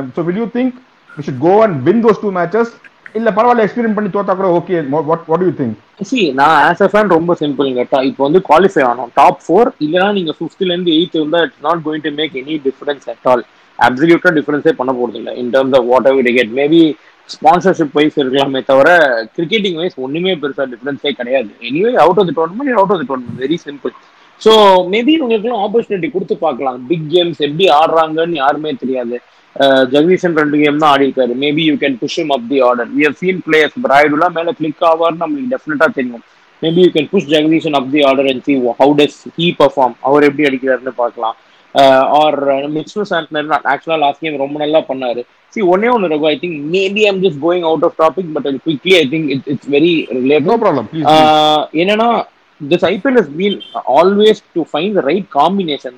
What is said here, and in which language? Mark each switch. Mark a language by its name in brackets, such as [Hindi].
[English] So will you think we should go and win those two matches? If you have experienced it, okay, what do you think? See, as a fan, it's very simple. Now, you qualify. Top 4, if you have 5th and 8th, it's not going to make any difference at all. Absolute difference in terms of whatever they get. [Tamil] Maybe sponsorship wise இருக்கலாமே தவிர cricketing wise ஒன்றுமே பெருசாக டிஃப்ரென்ஸே கிடையாது. [English] Anyway out of the tournament, out of the tournament, very simple. So maybe [Tamil] உங்களுக்குலாம் [English] opportunity [Tamil] கொடுத்து பார்க்கலாம். [English] big games [Tamil] எப்படி ஆடுறாங்கன்னு யாருமே தெரியாது. ஜெகதீஷன் ரெண்டு கேம் தான் ஆடிருக்காரு. [English] Maybe you can push him up the order. You have seen players பிராய்டுலாம் [Tamil] மேலே கிளிக் ஆவார்னு நம்மளுக்கு டெஃபினட்டாக தெரியும். [English] maybe you can push Jagadeesan up the order and see how does he perform, [Tamil] அவர் எப்படி அடிக்கிறாருன்னு பார்க்கலாம். ஆர் மிஸ்டர் சாண்ட்னர் ஆக்சுவலாக [English] last game [Tamil] ரொம்ப நல்லா பண்ணார். [English] See, one day on the road, I think maybe I'm just going out of topic, but quickly, I think it's very related. No problem. Please. You know, this IPL has been always to find the right combination.